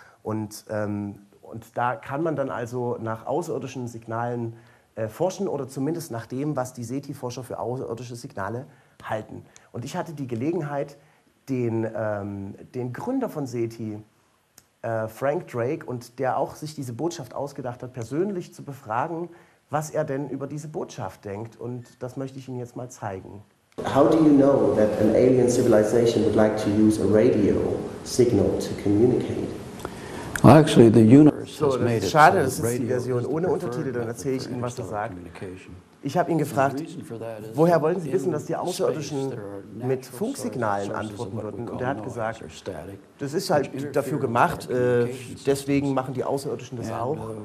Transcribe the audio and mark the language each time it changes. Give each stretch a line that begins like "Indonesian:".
German: Und da kann man dann also nach außerirdischen Signalen forschen oder zumindest nach dem, was die SETI-Forscher für außerirdische Signale halten. Und ich hatte die Gelegenheit, den Gründer von SETI, Frank Drake, und der auch sich diese Botschaft ausgedacht hat, persönlich zu befragen, was er denn über diese Botschaft denkt. Und das möchte ich Ihnen jetzt mal zeigen.
English: How do you know that an alien civilization would like to use a radio signal to communicate? Well, actually, the universe has made it.
German: Schade, das ist die Version ohne Untertitel, dann erzähle ich Ihnen, was er sagt. Ich habe ihn gefragt, woher wollen Sie wissen, dass die Außerirdischen mit Funksignalen antworten würden? Und er hat gesagt, das ist halt dafür gemacht, deswegen machen die Außerirdischen das auch.